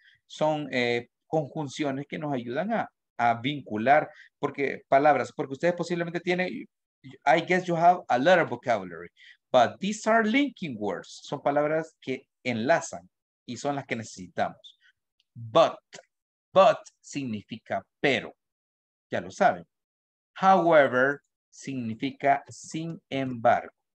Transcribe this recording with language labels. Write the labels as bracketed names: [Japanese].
[Spanish] Son conjunciones que nos ayudan a vincular porque palabras, porque ustedes posiblemente tienen... [English] I guess you have a lot of vocabulary, but these are linking words. [Spanish] Son palabras que enlazan y son las que necesitamos. But significa pero. Ya lo saben. However significa sin embargo.